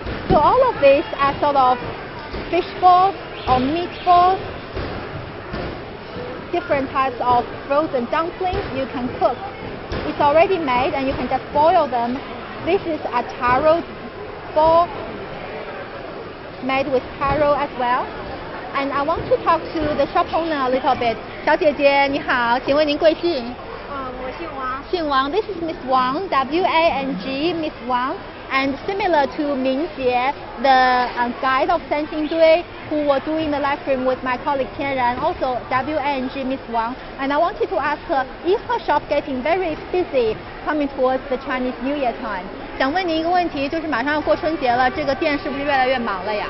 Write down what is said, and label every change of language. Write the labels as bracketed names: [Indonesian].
[English] So all of these are sort of fish balls or meat balls, different types of frozen dumplings you can cook. It's already made and you can just boil them. This is a taro ball made with taro as well. And I want to talk to the shop owner a little bit. [Chinese] 小姐姐你好，请问您贵姓？我姓王。姓王。 [English] This is Miss Wang, W-A-N-G, Miss Wang. And similar to Ming Jie, the guide of Sanxingdui, who were doing the live stream with my colleague Tian Ran, also WNG Miss Wang. And I wanted to ask her, is her shop getting very busy coming towards the Chinese New Year time? [Chinese] 想问您一个问题，就是马上要过春节了，这个店是不是越来越忙了呀？